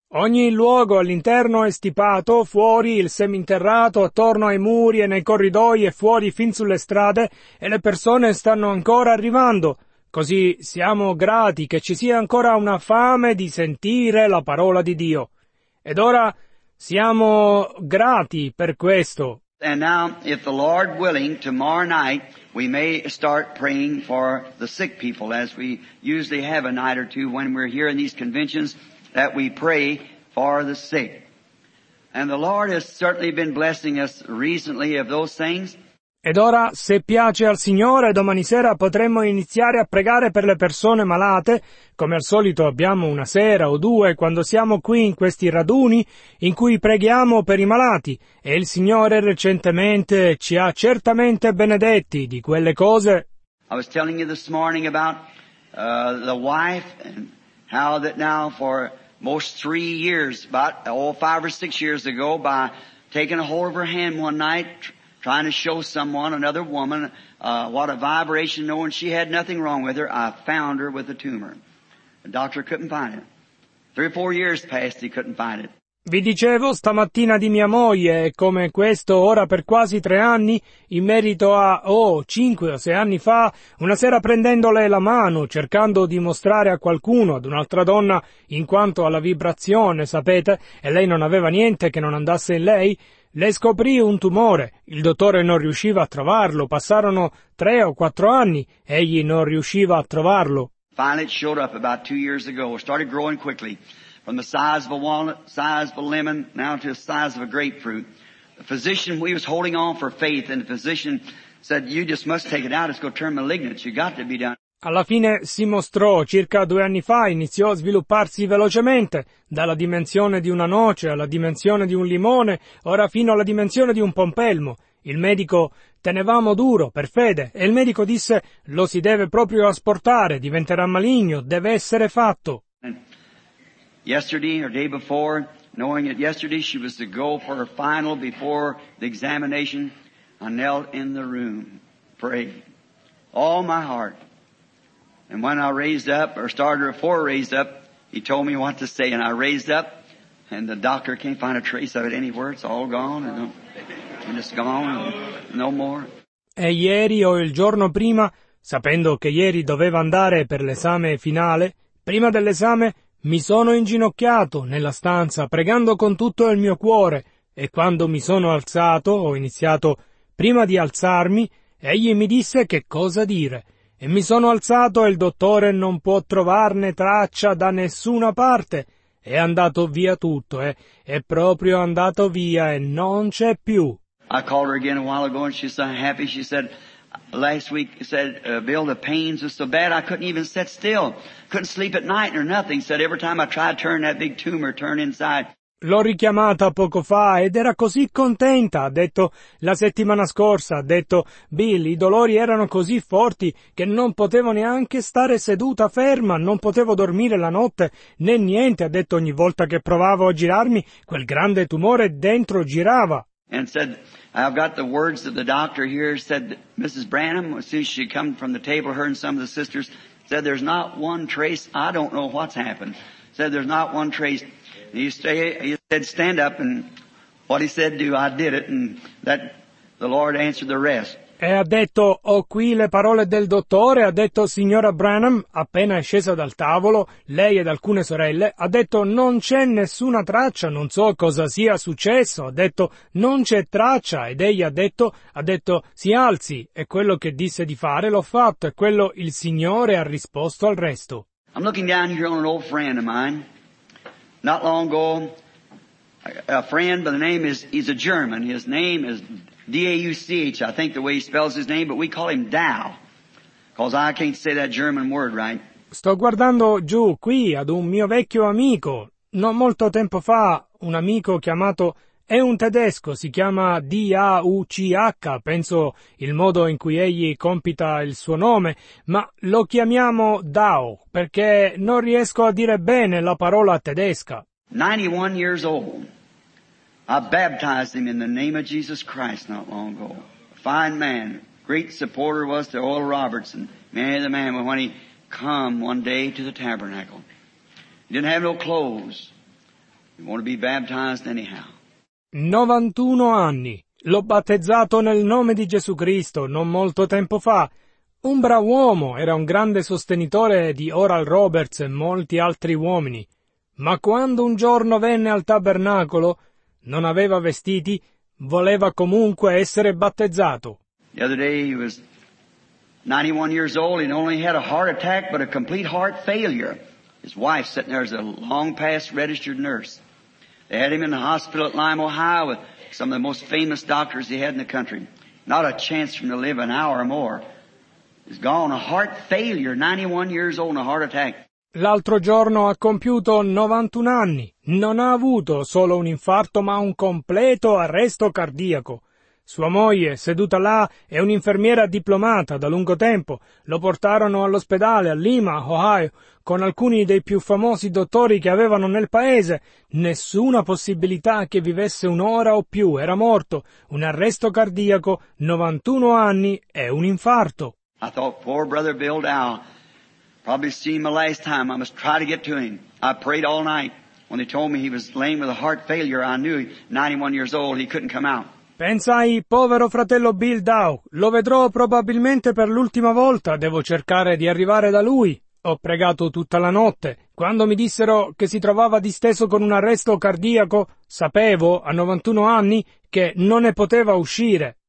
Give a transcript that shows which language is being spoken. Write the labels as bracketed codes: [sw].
[it] Ogni luogo all'interno è stipato, fuori il seminterrato, attorno ai muri e nei corridoi e fuori fin sulle strade, e le persone stanno ancora arrivando. Così siamo grati che ci sia ancora una fame di sentire la parola di Dio. Ed ora siamo grati per questo. [en] And now, if the Lord willing, tomorrow night we may start praying for the sick people, as we usually have a night or two when we're here in these conventions, that we pray for the sick. And the Lord has certainly been blessing us recently of those things. [it] Ed ora, se piace al Signore, domani sera potremmo iniziare a pregare per le persone malate, come al solito abbiamo una sera o due quando siamo qui in questi raduni in cui preghiamo per i malati, e il Signore recentemente ci ha certamente benedetti di quelle cose. [en] I was telling you this morning about the wife and how that now for most 3 years, about five or six years ago, by taking a hold of her hand one night, trying to show someone, another woman, what a vibration, knowing she had nothing wrong with her, I found her with a tumor. The doctor couldn't find it. 3 or 4 years passed, he couldn't find it. [it] Vi dicevo stamattina di mia moglie, come questo ora per quasi 3 anni, in merito a, 5 o 6 anni fa, una sera prendendole la mano, cercando di mostrare a qualcuno, ad un'altra donna, in quanto alla vibrazione, sapete, e lei non aveva niente che non andasse in lei, le scoprì un tumore, il dottore non riusciva a trovarlo, passarono 3 o 4 anni, egli non riusciva a trovarlo. [en] Finally it showed up about 2 years ago, it started growing quickly, from the size of a walnut, size of a lemon, now to the size of a grapefruit. The physician, we was holding on for faith, and the physician said, you just must take it out, it's going to turn malignant, you got to be done. [it] Alla fine si mostrò, circa 2 anni fa iniziò a svilupparsi velocemente, dalla dimensione di una noce alla dimensione di un limone, ora fino alla dimensione di un pompelmo. Il medico tenevamo duro, per fede, e il medico disse, lo si deve proprio asportare, diventerà maligno, deve essere fatto. [en] Yesterday, or day before, knowing that yesterday she was to go for her final before the examination, I knelt in the room, prayed, all my heart. And when I raised up, or started before I raised up, he told me what to say. And I raised up, and the doctor can't find a trace of it anywhere. It's all gone, and it's gone, and no more. [it] E ieri o il giorno prima, sapendo che ieri doveva andare per l'esame finale, prima dell'esame mi sono inginocchiato nella stanza, pregando con tutto il mio cuore. E quando mi sono alzato, ho iniziato prima di alzarmi, egli mi disse che cosa dire. E mi sono alzato e il dottore non può trovarne traccia da nessuna parte. È andato via tutto, è proprio andato via e non c'è più. [en] I called her again a while ago, and she's so happy. She said, last week, said, Bill, the pains were so bad, I couldn't even sit still. Couldn't sleep at night or nothing. Said, every time I tried to turn that big tumor, turn inside. [it] L'ho richiamata poco fa ed era così contenta, ha detto la settimana scorsa, ha detto Bill, i dolori erano così forti che non potevo neanche stare seduta ferma, non potevo dormire la notte né niente, ha detto ogni volta che provavo a girarmi, quel grande tumore dentro girava. [en] And said, I've got the words of the doctor here, said Mrs. Branham, since she come from the table, her and some of the sisters, said there's not one trace, I don't know what's happened, said there's not one trace. He said, stand up, and what he said, do, I did it, and that the Lord answered the rest. [it] E ha detto, ho qui le parole del dottore, ha detto, signora Branham, appena è scesa dal tavolo, lei ed alcune sorelle, ha detto, non c'è nessuna traccia, non so cosa sia successo, ha detto, non c'è traccia, ed egli ha detto, si alzi, e quello che disse di fare l'ho fatto, e quello il Signore ha risposto al resto. [en] I'm looking down here on an old friend of mine. Not long ago, a friend by the name is, he's a German. His name is D-A-U-C-H, I think the way he spells his name, but we call him Dow, because I can't say that German word right. [it] Sto guardando giù qui ad un mio vecchio amico. Non molto tempo fa, un amico chiamato, è un tedesco, si chiama D-A-U-C-H, penso il modo in cui egli compita il suo nome, ma lo chiamiamo Dow, perché non riesco a dire bene la parola tedesca. [en] 91 years old. I baptized him in the name of Jesus Christ not long ago. Fine man. Great supporter was to Oral Robertson. Many of the men when he come one day to the tabernacle. He didn't have no clothes. He wanted to be baptized anyhow. [it] 91 anni. L'ho battezzato nel nome di Gesù Cristo non molto tempo fa. Un bravo uomo, era un grande sostenitore di Oral Roberts e molti altri uomini. Ma quando un giorno venne al tabernacolo, non aveva vestiti, voleva comunque essere battezzato. [en] The other day he was 91 years old and only had a heart attack but a complete heart failure. His wife sitting there as a long past registered nurse. They had him in the hospital at Lyme, Ohio with some of the most famous doctors he had in the country. Not a chance for him to live an hour or more. He's gone, a heart failure, 91 years old, a heart attack. [it] L'altro giorno ha compiuto 91 anni. Non ha avuto solo un infarto, ma un completo arresto cardiaco. Sua moglie, seduta là, è un'infermiera diplomata da lungo tempo. Lo portarono all'ospedale a Lima, Ohio, con alcuni dei più famosi dottori che avevano nel paese. Nessuna possibilità che vivesse un'ora o più. Era morto. Un arresto cardiaco, 91 anni e un infarto. [en] I thought poor brother Bill Dow. Probably see him the last time. I must try to get to him. I prayed all night. When they told me he was laying with a heart failure, I knew 91 years old, he couldn't come out. [it] Pensai, povero fratello Bill Dow, lo vedrò probabilmente per l'ultima volta, devo cercare di arrivare da lui. Ho pregato tutta la notte. Quando mi dissero che si trovava disteso con un arresto cardiaco, sapevo, a 91 anni, che non ne poteva uscire.